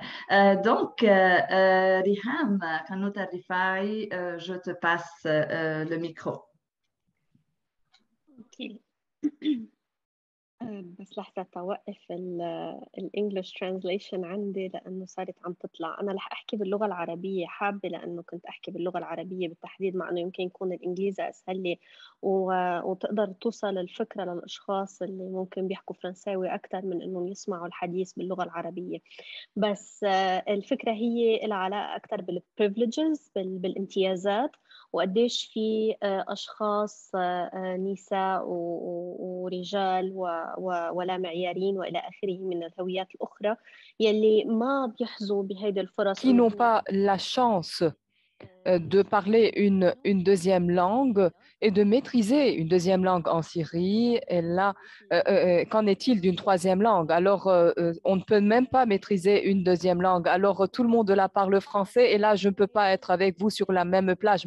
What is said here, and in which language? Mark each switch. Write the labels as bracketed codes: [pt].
[fr] Riham, quand nous t'arrives, je te passe le micro. OK. [ar] بس لحظة توقف [en] الانجليش ترانزليشن [ar] عندي لأنه صارت عم تطلع. أنا لح أحكي باللغة العربية، حابة لأنه كنت أحكي باللغة العربية بالتحديد، مع أنه يمكن يكون الإنجليزي أسهل لي وتقدر توصل الفكرة للأشخاص اللي ممكن بيحكوا فرنساوي أكتر من أنهم يسمعوا الحديث باللغة العربية. بس الفكرة هي العلاقة أكتر بالبريفليجز، بالامتيازات، وقديش في أشخاص نساء ورجال ولا معيارين وإلى آخره من الهويات الأخرى يلي ما بيحظوا بهيدي الفرص [fr] qui n'ont pas la chance de parler une deuxième langue et de maîtriser une deuxième langue en Syrie. Et là, qu'en est-il d'une troisième langue? Alors, on ne peut même pas maîtriser une deuxième langue. Alors, tout le monde là parle français et là, je ne peux pas être avec vous sur la même plage.